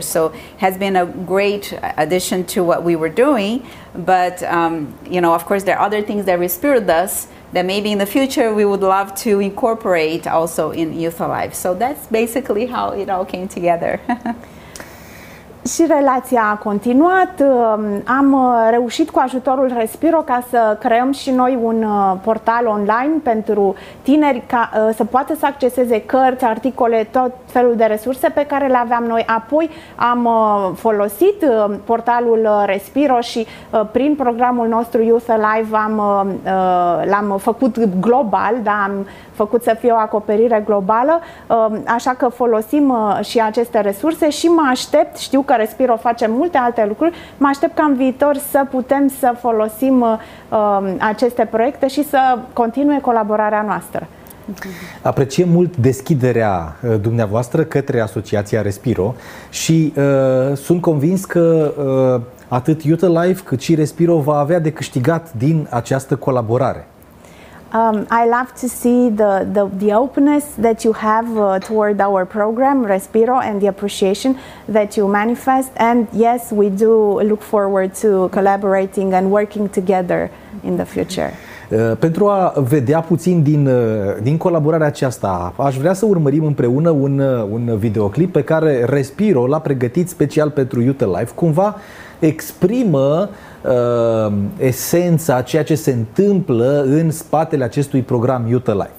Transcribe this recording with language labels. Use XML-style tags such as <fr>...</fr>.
<en>So has been a great addition to what we were doing, but you know, of course, there are other things that Respiro does that maybe in the future we would love to incorporate also in Youth Alive. So that's basically how it all came together.</en> <ro>Și relația a continuat. Am reușit cu ajutorul Respiro ca să creăm și noi un portal online pentru tineri ca să poată să acceseze cărți, articole, tot felul de resurse pe care le aveam noi. Apoi am folosit portalul Respiro și prin programul nostru Youth Alive l-am făcut global, da? Am făcut să fie o acoperire globală, așa că folosim și aceste resurse și mă aștept, știu că Respiro face multe alte lucruri, mă aștept ca în viitor să putem să folosim aceste proiecte și să continue colaborarea noastră. Apreciem mult deschiderea dumneavoastră către Asociația Respiro și sunt convins că atât Youth Alive cât și Respiro va avea de câștigat din această colaborare.</ro> <en>I love to see the openness that you have toward our program Respiro and the appreciation that you manifest, and yes, we do look forward to collaborating and working together in the future.</en> <ro>Pentru a vedea puțin din colaborarea aceasta, aș vrea să urmărim împreună un videoclip pe care Respiro l-a pregătit special pentru Youth Alive. Cumva exprimă esența a ceea ce se întâmplă în spatele acestui program Youth Alive.</ro>